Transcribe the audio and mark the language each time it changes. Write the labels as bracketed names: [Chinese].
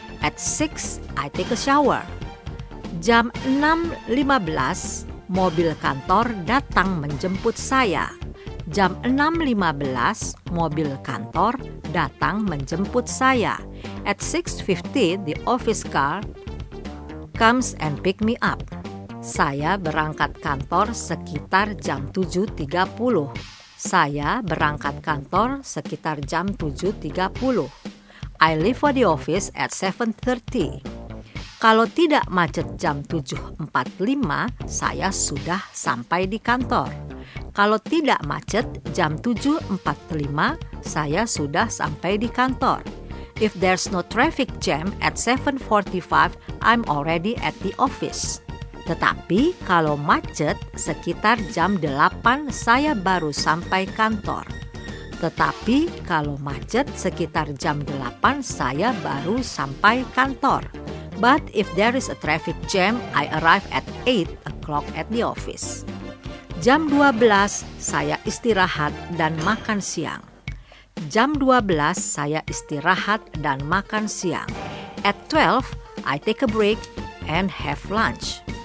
[English] At 6, I take a shower. [Indonesian] Jam 6.15, mobil kantor datang menjemput saya. Jam 6.15, mobil kantor datang menjemput saya. [English] At 6.50, the office car comes and pick me up. [Indonesian] Saya berangkat kantor sekitar jam 7.30. Saya berangkat kantor sekitar jam 7.30. [English] I leave for the office at 7.30. [Indonesian] Kalau tidak macet jam 7.45, saya sudah sampai di kantor. Kalau tidak macet jam 7.45, saya sudah sampai di kantor. [English] If there's no traffic jam at 7.45, I'm already at the office. [Indonesian] Tetapi kalau macet sekitar jam 8, saya baru sampai kantor. Tetapi kalau macet sekitar jam 8, saya baru sampai kantor. [English] But if there is a traffic jam, I arrive at 8 o'clock at the office. [Indonesian] Jam 12, saya istirahat dan makan siang. Jam 12, saya istirahat dan makan siang. [English] At 12, I take a break and have lunch.